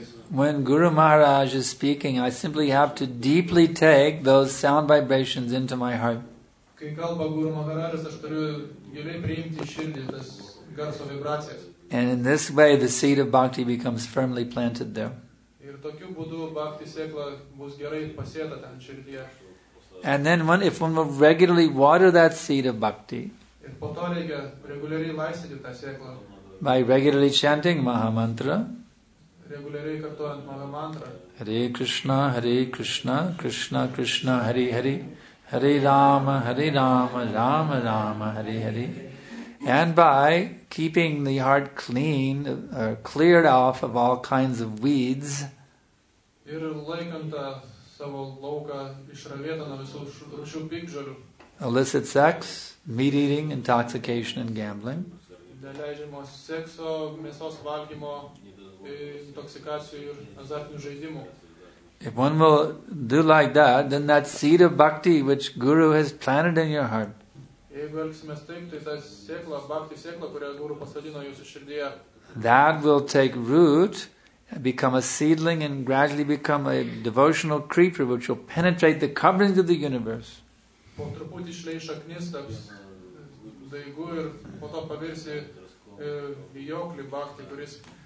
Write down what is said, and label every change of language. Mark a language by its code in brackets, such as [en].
[en] When Guru Maharaj is speaking, I simply have to deeply take those sound vibrations into my heart. And in this way, the seed of bhakti becomes firmly planted there. [lt] Ir tokiu būdu bhakti sėkla bus gerai pasėta ten širdyje. [en] And then one, if one will regularly water that seed of bhakti, [lt] ir po to reikia reguliariai laistyti tą sėklą, [en] by regularly chanting Maha Mantra, [lt] reguliariai kartuojant Maha Mantra, [sa] Hare Krishna, Hare Krishna, Krishna Krishna, Hare Hare, Hare Rama, Hare Rama, Rama Rama, Hare Hare. [en] And by keeping the heart clean, cleared off of all kinds of weeds, [lt] ir laikant tą savo lauką išravėtą nuo visų rūšių piktžolių, [en] illicit sex, meat eating, intoxication and gambling, [lt] neleidžiamo sekso, mėsos valgymo, intoksikacijų ir azartinių žaidimų. [en] If one will do like that, then that seed of bhakti which Guru has planted in your heart, [lt] jeigu elgsimės taip, tai ta sėkla, bhakti sėkla, kurią Guru pasadino jūsų širdyje, [en] that will take root, become a seedling and gradually become a devotional creeper which will penetrate the coverings of the universe. [lt] Po truputį išleis šaknis, taps daigų ir po to pavirsi vijoklį bhakti, kuris